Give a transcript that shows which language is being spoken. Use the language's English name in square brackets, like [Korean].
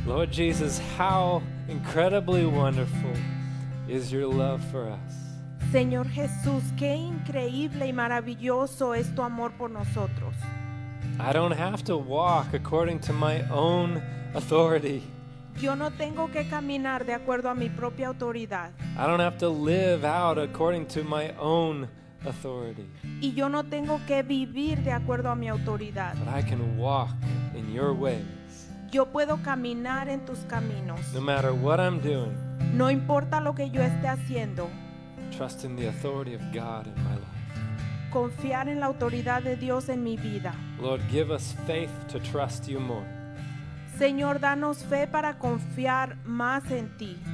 [English] Jesus, how incredibly wonderful is your love for us. [Spanish] Señor Jesús, qué increíble y maravilloso es tu amor por nosotros. [English] I don't have to walk according to my own authority. [Spanish] Yo no tengo que caminar de acuerdo a mi propia autoridad. [English] I don't have to live out according to my own authority. [Spanish] Y yo no tengo que vivir de acuerdo a mi autoridad. [English] But I can walk in your way. [Spanish] Yo puedo caminar en tus caminos. [English] No matter what I'm doing. [Spanish] No importa lo que yo esté haciendo. [English] Trust in the authority of God in my life. [Spanish] Confiar en la autoridad de Dios en mi vida. [English] Lord, give us faith to trust you more. [Spanish] Señor, danos fe para confiar más en ti.